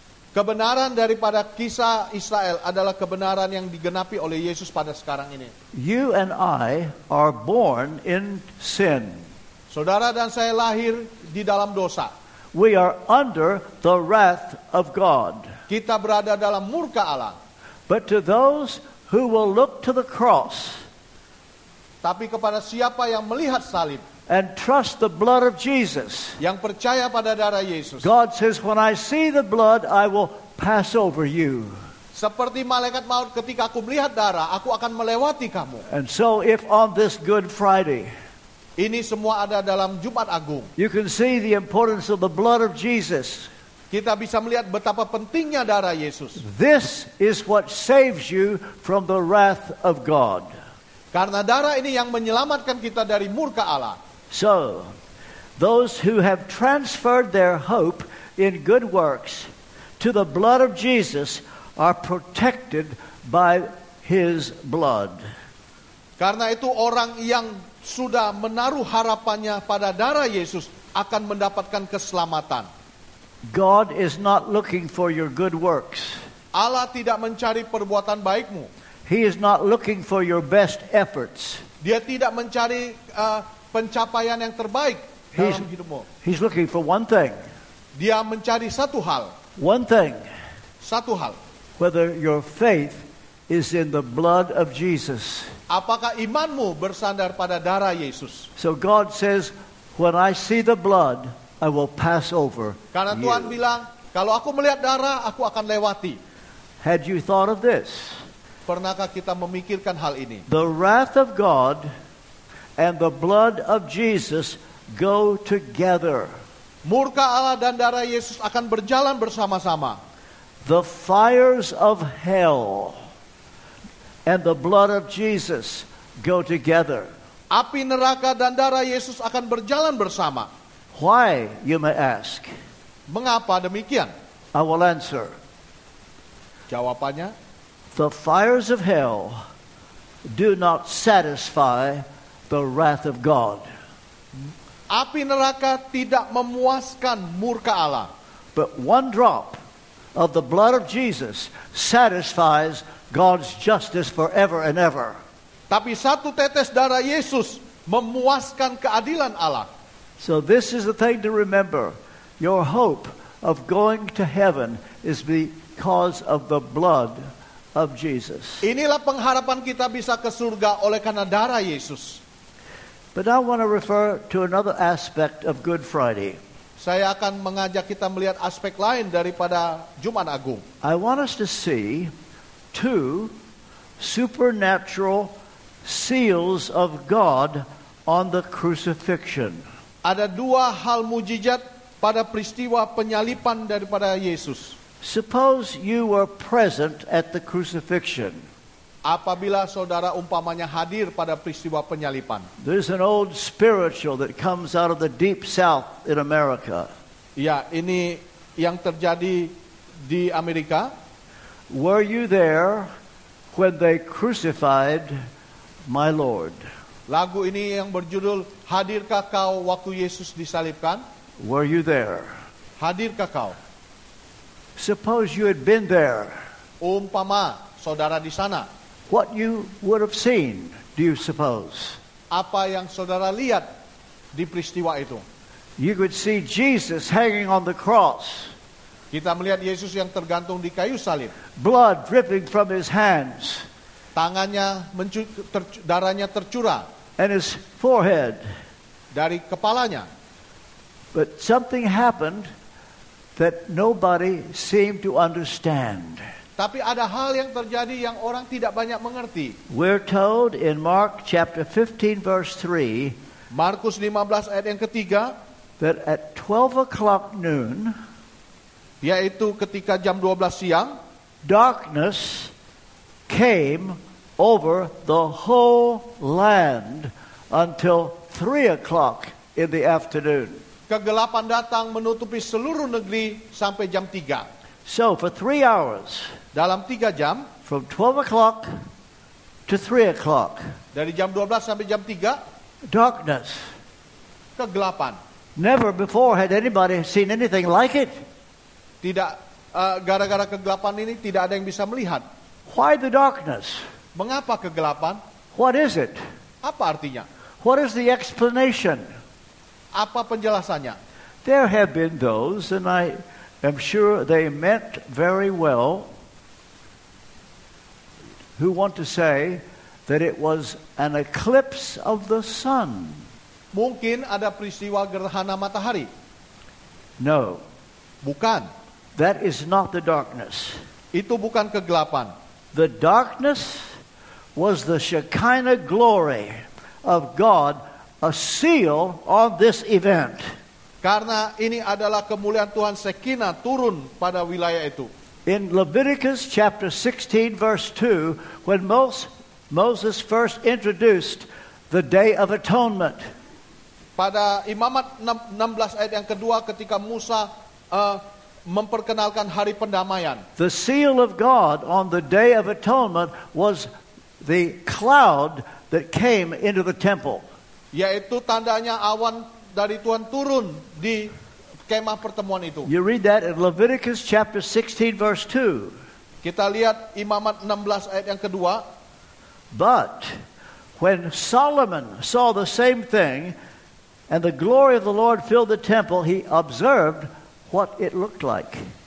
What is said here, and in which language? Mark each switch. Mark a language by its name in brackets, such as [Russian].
[Indonesian] Kebenaran daripada kisah Israel adalah kebenaran yang digenapi oleh Yesus pada sekarang ini. [English] You and I are born in sin. [Indonesian] Saudara dan saya lahir di dalam dosa. [English] We are under the wrath of God. [Indonesian] Kita berada dalam murka Allah. [English] But to those who will look to the cross, [Indonesian] tapi kepada siapa yang melihat salib, [English] and trust the blood of Jesus, [Indonesian] yang percaya pada darah Yesus, [English] God says, when I see the blood, I will pass over you. [Indonesian] Seperti malaikat maut, ketika aku melihat darah, aku akan melewati kamu. [English] And so if on this Good Friday, [Indonesian] ini semua ada dalam Jumat Agung, [English] you can see the importance of the blood of Jesus. [Indonesian] Kita bisa melihat betapa pentingnya darah Yesus. [English] This is what saves you from the wrath of God. [Indonesian] Karena darah ini yang menyelamatkan kita dari murka Allah. [English] So, those who have transferred their hope in good works to the blood of Jesus are protected by his blood. [Indonesian] Karena itu orang yang sudah menaruh harapannya pada darah Yesus akan mendapatkan keselamatan. [English] God is not looking for your good works. [Indonesian] Allah tidak mencari perbuatan baikmu. [English] He is not looking for your best efforts. [Indonesian] Dia tidak mencari pencapaian yang terbaik dalam hidupmu. [English] He's looking for one thing. [Indonesian] Dia mencari satu hal. [English] One thing. [Indonesian] Satu hal. [English] Whether your faith is in the blood of Jesus. [Indonesian] Apakah imanmu bersandar pada darah Yesus? [English] So God says, when I see the blood, I will pass over. [Indonesian] Karena Tuhan bilang, kalau aku melihat darah, aku akan lewati. [English] Had you thought of this? [Indonesian] Pernahkah kita memikirkan hal ini? [English] The wrath of God and the blood of Jesus go together. [Indonesian] Murka Allah dan darah Yesus akan berjalan bersama-sama. [English] The fires of hell and the blood of Jesus go together. [Indonesian] Api neraka dan darah Yesus akan berjalan bersama. [English] Why, you may ask? [Indonesian] Mengapa demikian? [English] I will answer. [Indonesian] Jawabannya, [English] the fires of hell do not satisfy the wrath of God. [Indonesian] Api neraka tidak memuaskan murka Allah. [English] But one drop of the blood of Jesus satisfies God's justice forever and ever. [Indonesian] Tapi satu tetes darah Yesus memuaskan keadilan Allah. [English] So this is the thing to remember. Your hope of going to heaven is because of the blood of Jesus. [Indonesian] Inilah pengharapan kita bisa ke surga oleh karena darah Yesus. [English] But I want to refer to another aspect of Good Friday. [Indonesian] Saya akan mengajak kita melihat aspek lain daripada Jumat Agung. [English] I want us to see two supernatural seals of God on the crucifixion. [Indonesian] Ada dua hal mujizat pada peristiwa penyaliban daripada Yesus. [English] Suppose you were present at the crucifixion. [Indonesian] Apabila saudara umpamanya hadir pada peristiwa penyaliban. [English] There's an old spiritual that comes out of the deep south in America. [Indonesian] Ya, ini yang terjadi di Amerika. [English] Were you there when they crucified my Lord? [Indonesian] Lagu ini yang berjudul Hadirkah Kau Waktu Yesus Disalibkan? [English] Were you there? [Indonesian] Hadirkah kau? [English] Suppose you had been there. [Indonesian] Umpama saudara di sana. [English] What you would have seen, do you suppose? [Indonesian] Apa yang saudara lihat di peristiwa itu? [English] You could see Jesus hanging on the cross. [Indonesian] Kita melihat Yesus yang tergantung di kayu salib. [English] Blood dripping from his hands. [Indonesian] Tangannya darahnya tercurah. [English] And his forehead. [Indonesian] Dari kepalanya. [English] But something happened that nobody seemed to understand. [Indonesian] Tapi ada hal yang terjadi yang orang tidak banyak mengerti. [English] We're told in Mark chapter 15 verse 3. [Indonesian] Markus 15 ayat yang ketiga. [English] That at 12 o'clock noon. [Indonesian] Yaitu ketika jam 12 siang. [English] Darkness came over the whole land until 3 o'clock in the afternoon. [Indonesian] Kegelapan datang menutupi seluruh negeri sampai jam 3. [English] So for 3 hours, [Indonesian] dalam 3 jam, [English] from 12 o'clock to 3 o'clock, [Indonesian] dari jam 12 sampai jam 3, [English] darkness, [Indonesian] kegelapan. [English] Never before had anybody seen anything like it. [Indonesian] Tidak Gara-gara kegelapan ini tidak ada yang bisa melihat. [English] Why the darkness? [Indonesian] Mengapa kegelapan? [English] What is it? [Indonesian] Apa artinya? [English] What is the explanation? [Indonesian] Apa penjelasannya? [English] There have been those, and I am sure they meant very well, who want to say that it was an eclipse of the sun. [Indonesian] Mungkin ada peristiwa gerhana matahari. [English] No. [Indonesian] Bukan. [English] That is not the darkness. [Indonesian] Itu bukan kegelapan. [English] The darkness was the Shekinah glory of God, a seal on this event. [Indonesian] Karena ini adalah kemuliaan Tuhan Shekinah turun pada wilayah itu. [English] In Leviticus chapter 16 verse 2, when Moses first introduced the Day of Atonement. [Indonesian] Pada Imamat 16 ayat yang kedua ketika Musa memperkenalkan hari pendamaian. [English] The seal of God on the Day of Atonement was the cloud that came into the temple. [Indonesian] Yaitu tandanya awan dari Tuhan turun di kemah pertemuan itu. [English] You read that in Leviticus chapter 16 verse 2. [Indonesian] Kita lihat Imamat 16 ayat yang kedua. [English] But when Solomon saw the same thing and the glory of the Lord filled the temple, he observed what it looked like.